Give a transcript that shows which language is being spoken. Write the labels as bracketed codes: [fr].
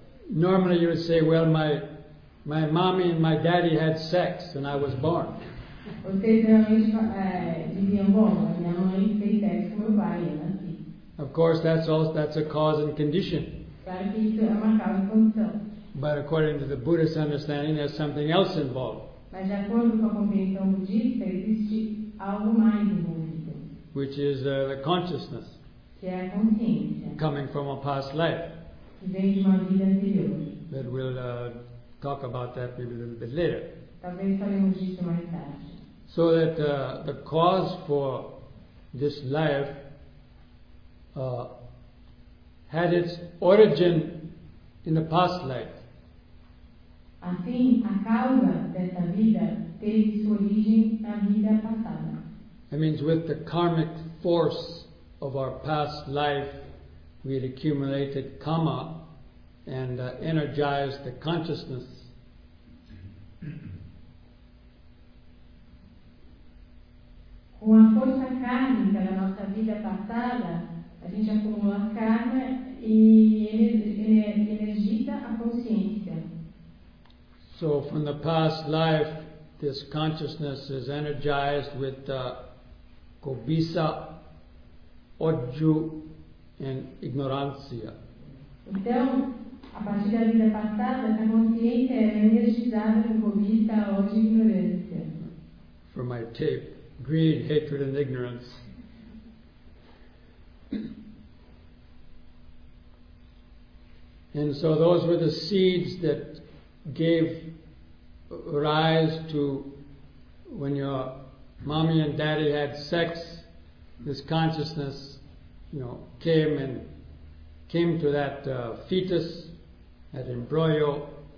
[en] Normally you would say, well, my mommy and my daddy had sex and I was born. [pt] Vocês geralmente diziam, bom, minha mãe fez sexo com meu pai e eu nasci. [en] Of course, that's a cause and condition. [pt] Claro que isso é uma causa e condição. [en] But according to the Buddhist understanding, there's something else involved. [pt] Mas de acordo com a compreensão budista, existe algo mais envolvido. [en] Which is the consciousness. [pt] Que é a consciência. [en] Coming from a past life. [pt] Que vem de uma vida anterior. [en] But we'll talk about that maybe a little bit later. [pt] Talvez falemos disso mais tarde. [en] So that the cause for this life had its origin in the past life. [pt] Assim, a causa dessa vida teve sua origem na vida passada. [en] That means with the karmic force of our past life, we had accumulated karma and energized the consciousness. [pt] Com a força kármica da nossa vida passada, a gente acumula karma e energiza a consciência. [en] So from the past life, this consciousness is energized with [pt] cobiça, ódio, [en] and [pt] ignorância. Então, a partir da vida passada, a consciência é energizada com cobiça, ódio e ignorância. [en] From my tape, greed, hatred, and ignorance. And so those were the seeds that gave rise to when your mommy and daddy had sex, this consciousness, came to that fetus, that embryo,